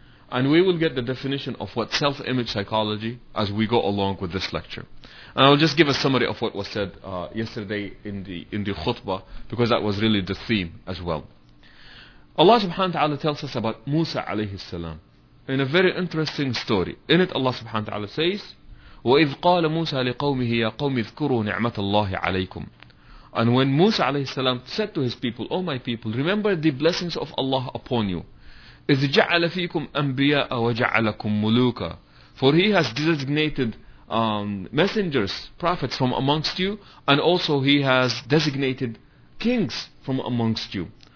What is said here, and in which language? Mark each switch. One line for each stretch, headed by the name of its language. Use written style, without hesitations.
English: And we will get the definition of what self-image psychology as we go along with this lecture. And I'll just give a summary of what was said yesterday in the khutbah, because that was really the theme as well. Allah subhanahu wa ta'ala tells us about Musa alayhi salam in a very interesting story. In it, Allah subhanahu wa ta'ala says,
Arabic: وَإِذْ قَالَ مُوسَى لِقَوْمِهِ يَا قَوْمِ اذْكُرُوا نِعْمَةَ اللَّهِ عَلَيْكُمْ.
English: And when Musa alayhi salam said to his people, "O my people, remember the blessings of Allah upon you.
Arabic: إِذْ جَعَلَ فِيكُمْ أَنْبِيَاءَ وَجَعَلَكُمْ مُلُوكًا."
English: For he has designated messengers, prophets from amongst you, and also he has designated kings from amongst you.